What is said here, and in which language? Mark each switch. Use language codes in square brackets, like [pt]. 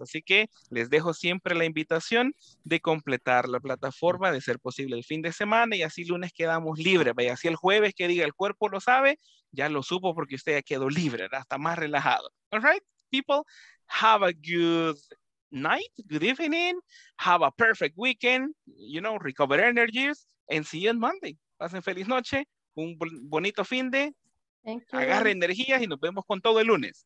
[es] Así que les dejo siempre la invitación de completar la plataforma, de ser posible el fin de semana, y así lunes quedamos libres. Vaya, así el jueves que diga el cuerpo lo sabe, ya lo supo porque usted ya quedó libre, ¿verdad? Está más relajado. [en] All right, people, have a good night, good evening, have a perfect weekend, you know, recover energies, and see you on Monday. [es] Pasen feliz noche, un bonito fin de... [en] Thank you. [es] Agarre energías y nos vemos con todo el lunes.